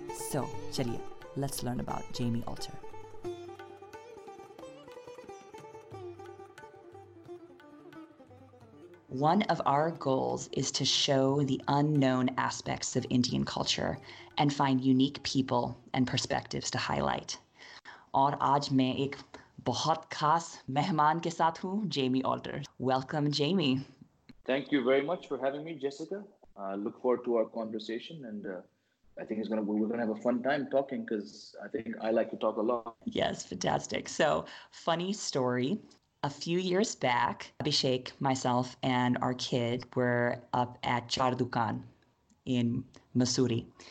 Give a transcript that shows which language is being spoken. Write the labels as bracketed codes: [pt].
[en] So, Chaliye, let's learn about Jamie Alter. One of our goals is to show the unknown aspects of Indian culture and find unique people and perspectives to highlight. [hi] और आज मैं एक बहुत खास मेहमान के साथ हूँ, Jamie Alter. [en] Welcome, Jamie. Thank you very much for having me, Jessica. Look forward to our conversation, and I think we're going to have a fun time talking, because I think I like to talk a lot. Yes, fantastic. So, funny story. A few years back, Abhishek, myself, and our kid were up at Chardukan in Mussoorie.